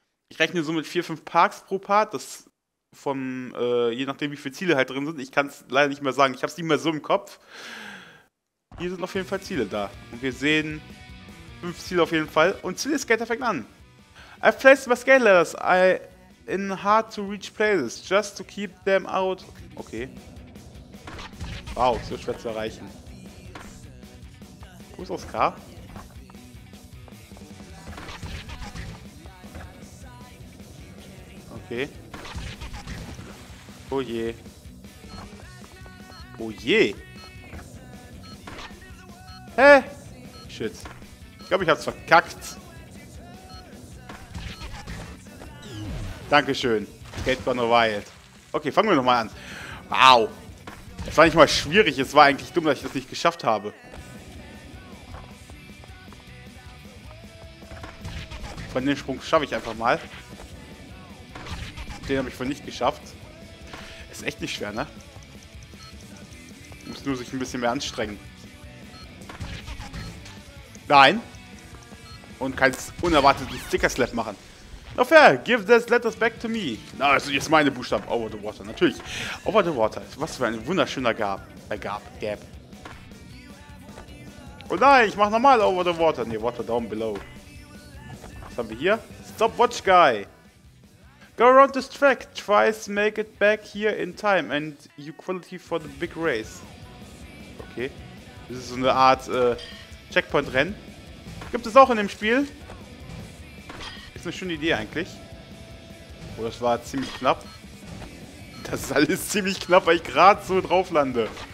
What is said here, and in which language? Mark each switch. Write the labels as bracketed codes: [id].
[de] Ich rechne so mit 4-5 Parks pro Part, das vom, je nachdem wie viele Ziele halt drin sind. Ich kann es leider nicht mehr sagen, ich habe es nicht mehr so im Kopf. Hier sind auf jeden Fall Ziele da. Und wir sehen 5 Ziele auf jeden Fall. Und Ziele Skater fängt an. [en] I've placed my skate ladders in hard to reach places, just to keep them out. Okay. [de] Wow, so schwer zu erreichen. Wo ist das K? Okay. Oh je. Oh je. Hä? Shit. Ich glaube, ich hab's verkackt. Dankeschön. Skate Gone Wild. Okay, fangen wir nochmal an. Wow. Das war nicht mal schwierig. Es war eigentlich dumm, dass ich das nicht geschafft habe. Von dem Sprung schaffe ich einfach mal. Den habe ich wohl nicht geschafft. Ist echt nicht schwer, ne? Muss nur sich ein bisschen mehr anstrengen. Nein. Und kannst unerwarteten Sticker-Slap machen. [en] No fair, give those letters back to me. [de] Na, also jetzt meine Buchstaben. [en] Over the water, [de] natürlich. Over the water. Was für ein wunderschöner Gab. [en] Gap. [de] Oh nein, ich mach nochmal [en] over the water. Nee, water down below. [de] Was haben wir hier? [en] Stopwatch guy. Go around this track. Twice make it back here in time. And you quality for the big race. Okay. [de] Das ist so eine Art Checkpoint-Rennen. Gibt es auch in dem Spiel. Ist eine schöne Idee eigentlich. Oh, das war ziemlich knapp. Das ist alles ziemlich knapp, weil ich gerade so drauf lande.